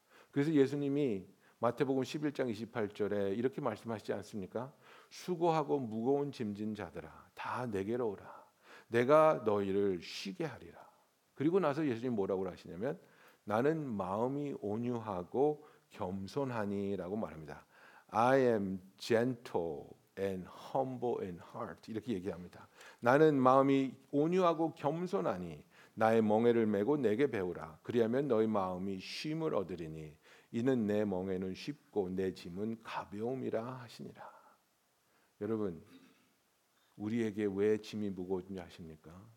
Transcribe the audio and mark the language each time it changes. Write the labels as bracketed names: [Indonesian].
[Korean] 그래서 예수님이 마태복음 11장 28절에 이렇게 말씀하시지 않습니까? 수고하고 무거운 짐진 자들아 다 내게로 오라. 내가 너희를 쉬게 하리라. 그리고 나서 예수님 뭐라고 하시냐면 나는 마음이 온유하고 겸손하니라고 말합니다. [English] I am gentle and humble in heart. [Korean] 이렇게 얘기합니다. 나는 마음이 온유하고 겸손하니 나의 멍에를 메고 내게 배우라. 그리하면 너희 마음이 쉼을 얻으리니 이는 내 멍에는 쉽고 내 짐은 가벼움이라 하시니라. 여러분, 우리에게 왜 짐이 무거운지 아십니까?